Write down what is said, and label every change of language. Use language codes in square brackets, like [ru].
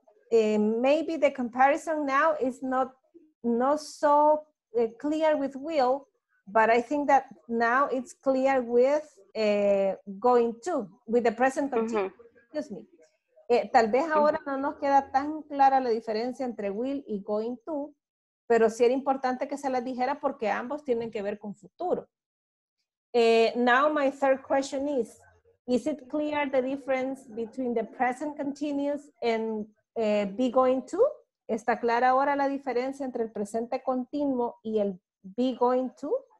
[en] Maybe the comparison now is not so clear with will, but I think that now it's clear with going to, with the present continuous. Uh-huh. Excuse me. [es] Tal vez ahora no nos queda tan clara la diferencia entre will y going to. Pero sí era importante que se las dijera porque ambos tienen que ver con futuro. [en] Now my third question is it clear the difference between the present continuous and be going to? [es] ¿Está clara ahora la diferencia entre el presente continuo y el be going to?